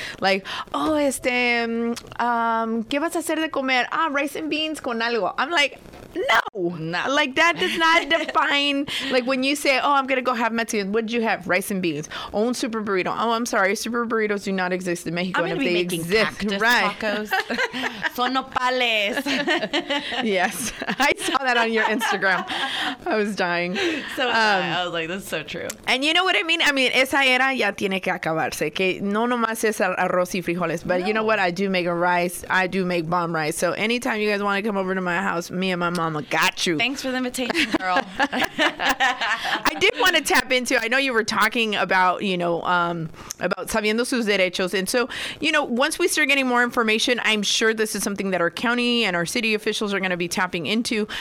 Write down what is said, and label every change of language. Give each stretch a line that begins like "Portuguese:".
English: Like, oh,
Spanish: ¿qué vas a hacer de comer?
English: Ah, rice and beans
Spanish: con algo.
English: I'm like, no. Like, that does not define, like, when you say, oh, I'm going to go have Mexican, what did you have? Rice and beans. Own super burrito. Oh, I'm sorry. Super burritos do not exist in Mexico. I'm going to be making cactus tacos.
Spanish: Son nopales.
English: Yes. I saw that on your Instagram. I was dying. So I was like, this is so true. And you know what I mean? I mean,
Spanish: esa era ya tiene que acabarse. Que no nomás es arroz y frijoles.
English: But you know what? I do make a rice. I do make bomb rice. So anytime you guys want to come over to my house, me and my mama got you. Thanks for the invitation, girl. I did want to tap into, I know you were talking about, you know, about
Spanish: sabiendo sus derechos.
English: And so, you know, once we start getting more information, I'm sure this is something that our county and our city officials are going to be tapping into.